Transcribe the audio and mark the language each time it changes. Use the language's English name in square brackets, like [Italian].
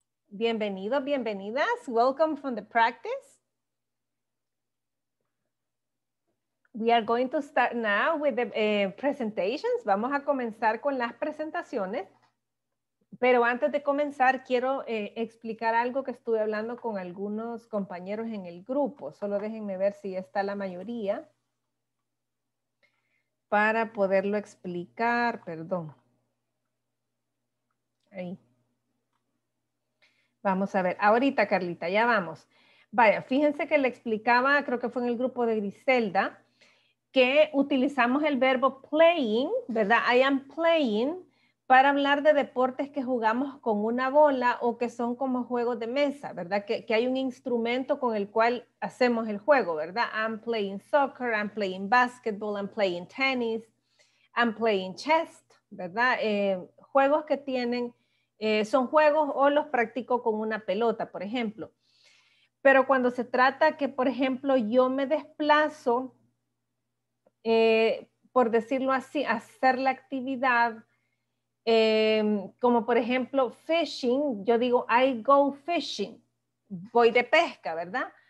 [Spanish] Bienvenido, bienvenidas. [English] Welcome from the practice. We are going to start now with the presentations. [Spanish] Vamos a comenzar con las presentaciones. Pero antes de comenzar, quiero explicar algo que estuve hablando con algunos compañeros en el grupo. Solo déjenme ver si está la mayoría para poderlo explicar. Perdón. Ahí. Vamos a ver, ahorita Carlita, ya vamos. Vaya, fíjense que le explicaba, creo que fue en el grupo de Griselda, que utilizamos el verbo playing, ¿verdad? [English] I am playing, [Spanish] para hablar de deportes que jugamos con una bola o que son como juegos de mesa, ¿verdad? Que hay un instrumento con el cual hacemos el juego, ¿verdad? [English] I'm playing soccer, I'm playing basketball, I'm playing tennis, I'm playing chess, ¿verdad? [Spanish] Juegos que tienen... son juegos o los practico con una pelota, por ejemplo. Pero cuando se trata que, por ejemplo, yo me desplazo, por decirlo así, hacer la actividad, como por ejemplo fishing, yo digo [English] I go fishing, [Spanish] voy de pesca, ¿verdad?